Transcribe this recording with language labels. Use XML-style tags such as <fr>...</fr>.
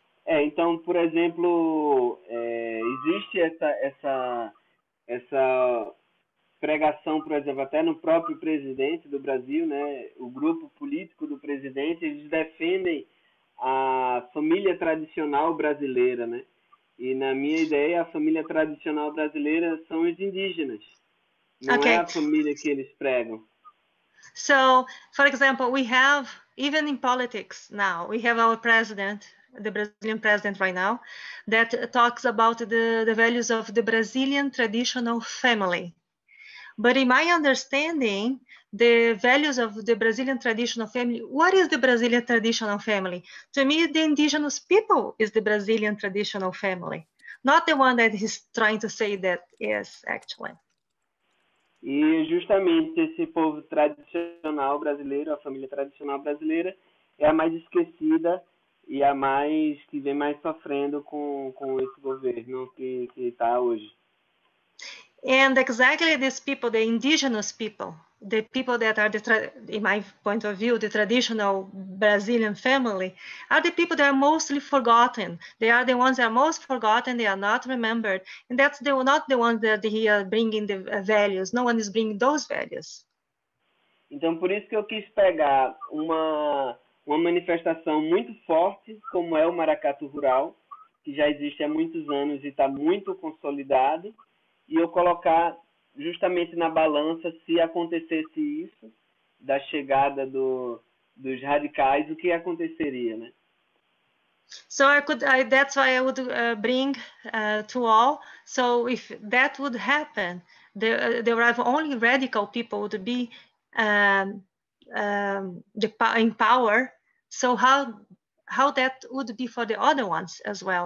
<pt>Então, por exemplo, existe essa pregação, por exemplo, até no próprio presidente do Brasil, né? O grupo político do presidente, eles defendem a família tradicional brasileira, né? E na minha ideia, a família tradicional brasileira são os indígenas. Não é a família que eles pregam.</pt> <en>So, for example, we have, even in politics now, we have our president, the Brazilian president right now, that talks about the values of the Brazilian traditional family. But in my understanding, the values of the Brazilian traditional family, what is the Brazilian traditional family? To me, the indigenous people is the Brazilian traditional family, not the one that he's trying to say that is, actually.</en> <pt>E justamente esse povo tradicional brasileiro, a família tradicional brasileira, é a mais esquecida e a mais que vem mais sofrendo com esse governo que está hoje.</pt> <en>And exactly these people, the indigenous people, the people that are, in my point of view, the traditional Brazilian family, are the people that are mostly forgotten. They are the ones that are most forgotten, they are not remembered. And that's not the ones that he are bringing the values. No one is bringing those values.</en> <pt>Então, por isso que eu quis pegar uma manifestação muito forte, como é o Maracatu Rural, que já existe há muitos anos e está muito consolidado, e eu colocar justamente na balança se acontecesse isso, da chegada dos radicais, o que aconteceria, né?</pt> <en>So I could, that's why I would bring to all. So if that would happen, the arrival only radical people would be in power. So how that would be for the other ones as well.</en>